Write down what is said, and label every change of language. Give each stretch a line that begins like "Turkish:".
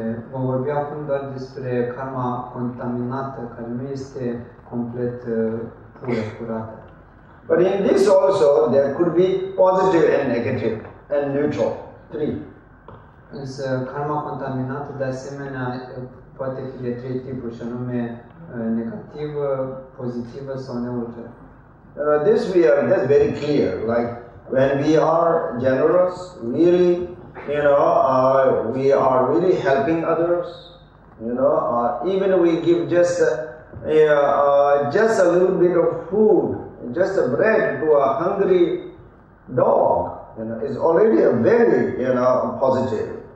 Romanian: Vom vorbi acum doar despre karma contaminată, care nu este complet pură, curată.
English: But in this also, there could be positive and negative and neutral, three.
Romanian: Însă karma contaminată, de asemenea, poate fi de trei tipuri, și anume negativă, pozitivă sau neutră.
English: This we are, that's very clear, like when we are generous, really, you know, we are really helping others, you know, even we give just a little bit of food, just a bread to a hungry dog, you know, is already a very, you know, positive.